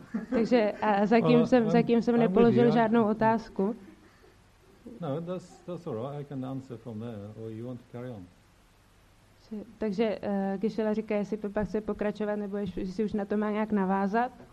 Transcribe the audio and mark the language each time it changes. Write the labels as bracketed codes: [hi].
[cs] Takže zatím jsem nepoložil žádnou otázku. [en] No, that's all right. I can answer from there, or you want to carry on. [cs] Takže Gisela říká, jestli Pepa chce pokračovat, nebo jestli už na to má nějak navázat.